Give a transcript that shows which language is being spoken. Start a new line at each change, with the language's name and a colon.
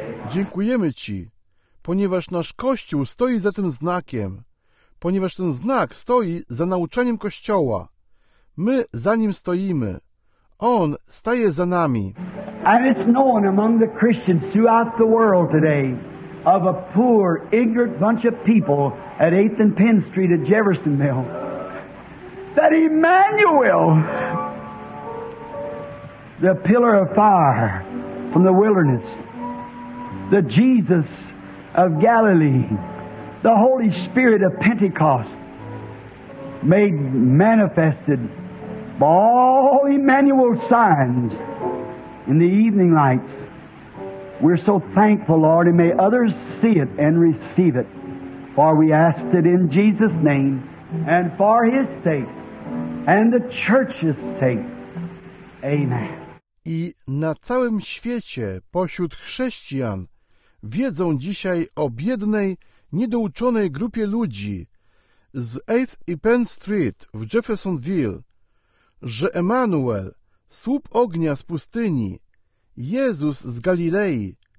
Polish: Dziękujemy Ci, ponieważ nasz Kościół stoi za tym znakiem, ponieważ ten znak stoi za nauczaniem Kościoła. My za nim stoimy. On staje za nami.
English: And it's known among the Christians throughout the world today of a poor, ignorant bunch of people at 8th and Penn Street at Jefferson Mill. That Emmanuel, the pillar of fire from the wilderness, the Jesus of Galilee, the Holy Spirit of Pentecost, made manifested by all Emmanuel's signs in the evening lights. We're so thankful, Lord, and may others see it and receive it, for we ask it in Jesus' name and for His sake. And the church's sake. Amen.
Polish: I na całym świecie pośród chrześcijan wiedzą dzisiaj o biednej, niedouczonej grupie ludzi z 8th i Penn Street w Jeffersonville, że Emmanuel, słup ognia z pustyni, Jezus z Galilei,